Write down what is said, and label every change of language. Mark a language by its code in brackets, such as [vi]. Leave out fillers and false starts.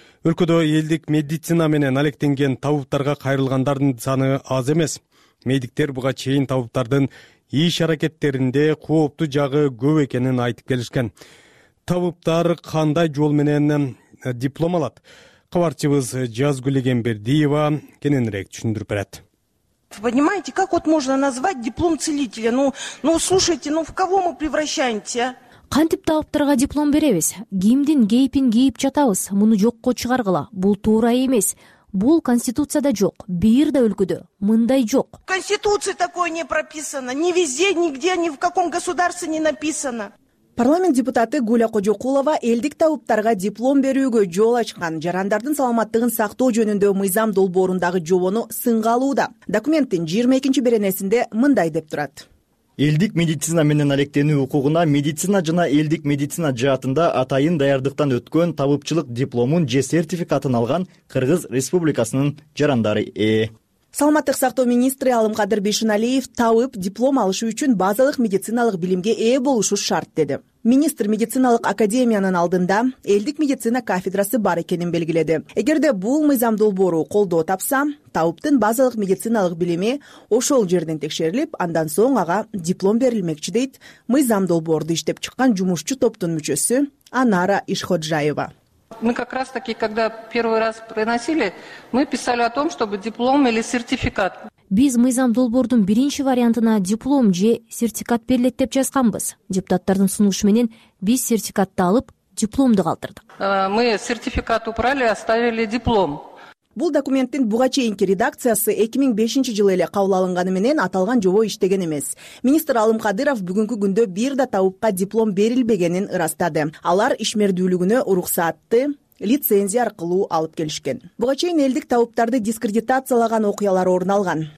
[ky] Өлкөдө элдик медицина менен алектенген табыптарга кайрылгандардын саны аз эмес. Медиктер буга чейин табыптардын иш аракеттеринде кооптуу жагы көп экенин айтып келишкен. Табыптар кандай жол менен диплом алат? Кабарчыбыз Жазгүл Эгембердиева кененирээк түшүндүрүп берет. [ru] Вы понимаете, как вот можно назвать диплом целителя? Ну слушайте, в кого мы превращаемся? [ky] Кантип табыптарга диплом беребиз? Кимдин кейпин кийип жатабыз? Муну жокко чыгаргыла. Бул туура эмес. Бул конституцияда жок. Бир да өлкөдө мындай жок. [ru] В конституции такое не прописано. Ни везде, нигде, ни в каком государстве не написано. [ky] Парламент депутаты Гуля Кожокулова элдик табыптарга диплом берүүгө жол ачкан жарандардын саламаттыгын сактоо жөнүндө мыйзам долбоорундагы жобону сынга алууда. Документтин 22-чи беренесинде мындай деп турат. Элдик медицина менен алектенүү укугуна медицина жана элдик медицина жаатында атайын даярдыктан өткөн табыпчылык дипломун же сертификатын алган Кыргыз Республикасынын жарандары ээ. Салматтык сактоо министри Алымкадыр Бейшиналиев тавып диплом алышы үчүн базалык медициналык билимге ээ болушу шарт деди. Министр медициналык академиянын алдында элдик медицина кафедрасы бар экенин белгиледи. Эгерде бул мыйзам долбоору колдоо тапса, тавыптын базалык медициналык билими ошол жерден текшерилип, андан соң ага диплом берилмекчи дейт мыйзам долбоорду иштеп чыккан жумушчу топтун мүчөсү Анара Ишходжаева. [ru] Мы как раз таки, когда первый раз приносили, мы писали о том, чтобы диплом или сертификат. [ky] Биз мыйзам долбоордун биринчи вариантына диплом же сертификат берилет деп жазганбыз. Депутаттардын сунушу менен биз сертификатты алып, дипломду калтырдык. [ru] Мы сертификат убрали, оставили диплом. [ky] Бул документтин буга чейинки редакциясы 2005 жылы эле кабыл алынганы менен аталган жобо иштеген эмес. Министр Алымкадыров бүгүнкү күндө бир да тавыпка диплом берилбегенин ырастады. Алар ишмердүүлүгүнө уруксаатты лицензия аркылуу алып келишкен. Буга чейин элдик тавыптарды дискредитациялаган окуялар орун алган.